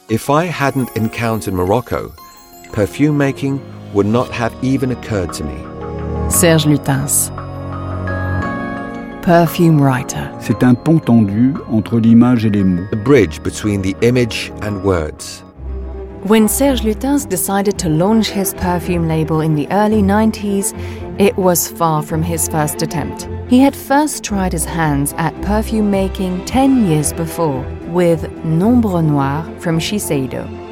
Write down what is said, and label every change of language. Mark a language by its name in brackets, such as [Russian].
[English] If I hadn't encountered Morocco, perfume making would not have even occurred to me. Serge Lutens, perfume writer. [French] C'est un pont tendu entre l'image et les mots. [English] The bridge between the image and words. When Serge Lutens decided to launch his perfume label in the early 90s, it was far from his first attempt. He had first tried his hands at perfume making 10 years before with Nombre Noir from Shiseido.